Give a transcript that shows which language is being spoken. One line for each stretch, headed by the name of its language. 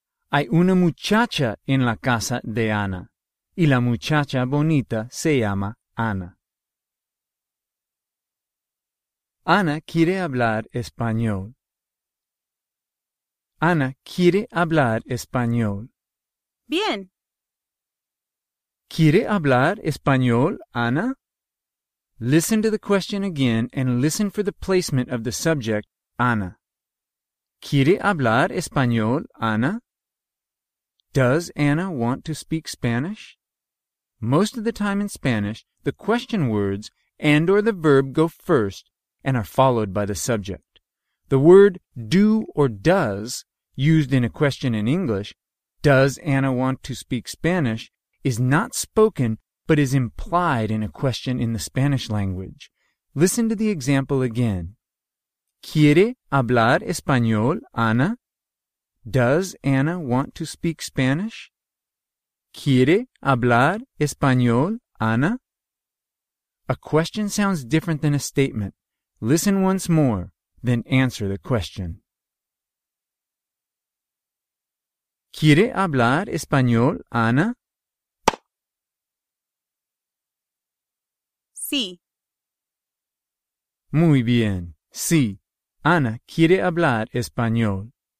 Spanish: Hay una muchacha en la casa de Ana. Y la muchacha bonita se llama Ana. Ana quiere hablar español. Ana quiere hablar español. Bien. ¿Quiere hablar español, Ana?
English: Listen to the question again and listen for the placement of the subject, Ana.
Spanish: ¿Quiere hablar español, Ana?
English: Does Ana want to speak Spanish? Most of the time in Spanish, the question words and or the verb go first and are followed by the subject. The word do or does, used in a question in English, does Ana want to speak Spanish, is not spoken but is implied in a question in the Spanish language. Listen to the example again.
Spanish: ¿Quiere hablar español, Ana?
English: Does Ana want to speak Spanish?
Spanish: ¿Quiere hablar español, Ana?
English: A question sounds different than a statement. Listen once more, then answer the question.
Spanish: ¿Quiere hablar español, Ana? Sí. Muy bien. Sí. Ana quiere hablar español.